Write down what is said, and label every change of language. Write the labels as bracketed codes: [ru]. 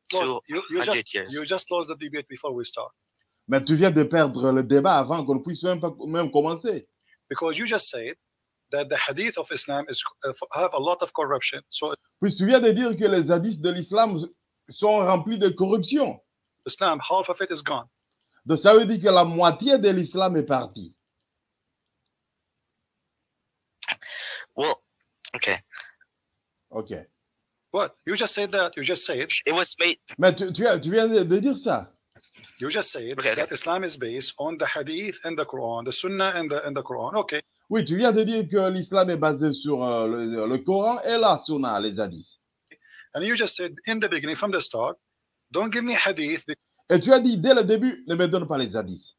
[en] You just lost the debate before we start. [fr] Mais tu viens de perdre le débat avant qu'on puisse même commencer. [en] Because you just said that the hadith of Islam is have a lot of corruption. So. [fr] Puisque tu viens de dire que les hadiths de l'islam sont remplis de corruption. [en] Islam, half of it is gone. [fr] Donc ça veut dire que la moitié de l'islam est partie. [en] Well, okay. Okay. What? You just said that. You just said. It was made. [fr] Mais tu viens de dire ça. [en] You just said that Islam is based on the hadith and the Quran, the sunnah and the Quran. Okay. [fr] Oui, tu viens de dire que l'islam est basé sur le Coran et la sunnah, les hadiths. [en] And you just said in the beginning, from the start, don't give me hadith. [fr] Et tu as dit dès le début, ne me donne pas les hadiths.